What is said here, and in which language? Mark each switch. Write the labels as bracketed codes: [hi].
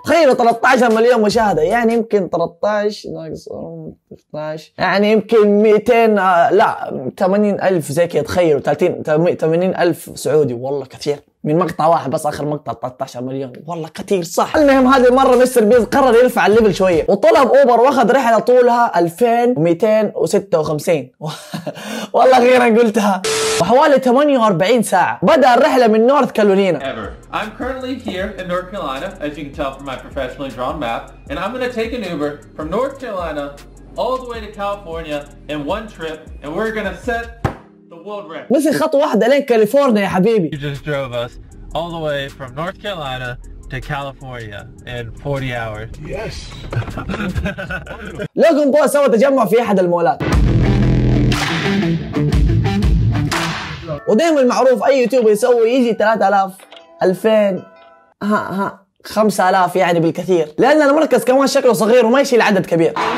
[ar] تخيلوا 13 مليون مشاهدة، يعني يمكن 13 ناقص 12، يعني يمكن 200 لا 80,000 زي كذا، تخيلوا 80,000 سعودي، والله كثير من مقطع واحد بس، اخر مقطع 13 مليون والله كثير صح. المهم هذه المره مستر بيز قرر يرفع الليفل شويه، وطلب اوبر واخذ رحله طولها 2256 والله غير قلتها، وحوالي 48 ساعه. بدا الرحله من نورث كارولينا. [en] I'm currently here in North Carolina as you can tell from my professionally drawn map and I'm going to take an Uber from North Carolina all the way to California in one trip and we're going to set [ar] مثل خط واحد لين كاليفورنيا يا حبيبي. [en] You just drove us all the way from North Carolina to California in 40 hours. Yes. [ar] لوغان بول سوى تجمع في احد المولات. ودائما المعروف اي يوتيوبر يسوي يجي 3000 2000 ها 5000 يعني بالكثير، لان المركز كمان شكله صغير وما يشيل عدد كبير.